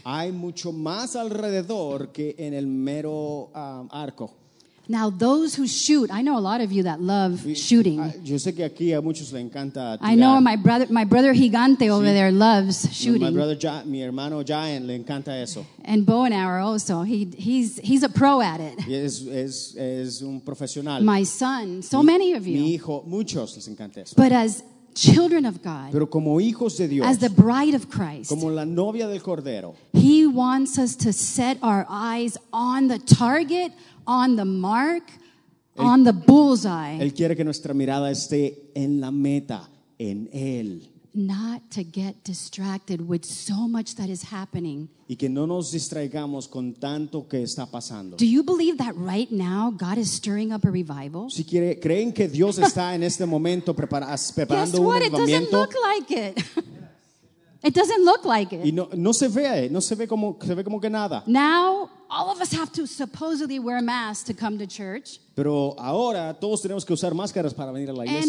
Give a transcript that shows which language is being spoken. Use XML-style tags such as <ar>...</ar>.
<es>Hay mucho más alrededor que en el mero, arco.</es> <en>Now those who shoot, I know a lot of you that love shooting.</en> <es>Yo sé que aquí a muchos le encanta tirar.</es> <en>I know my brother Gigante over sí. There loves shooting. My brother,</en> <es>mi hermano Giant, le encanta eso.</es> <en>And bow and arrow also. He's a pro at it.</en> <es>Es un profesional.</es> <en>My son, many of you.</en> <es>Mi hijo, muchos les encanta eso.</es> <en>But as children of God,</en> <es>pero como hijos de Dios,</es> <en>as the bride of Christ,</en> <es>como la novia del Cordero,</es> <en>he wants us to set our eyes on the target. On the mark, on the bullseye.</en> <es>Él quiere que nuestra mirada esté en la meta, en él.</es> <en>Not to get distracted with so much that is happening.</en> <es>Y que no nos distraigamos con tanto que está pasando.</es> <en>Do you believe that right now God is stirring up a revival?</en> <es>Si quiere, ¿creen que Dios está en este momento preparando</es> <en>guess what?</en> <es>Un avivamiento?</es> <en>It doesn't look like it. It doesn't look like it.</en> <es>Y no se ve, no se ve como, se ve como que nada.</es> <en>Now all of us have to supposedly wear masks to come to church.</en> <es>Pero ahora todos tenemos que usar máscaras para venir a la iglesia.</es>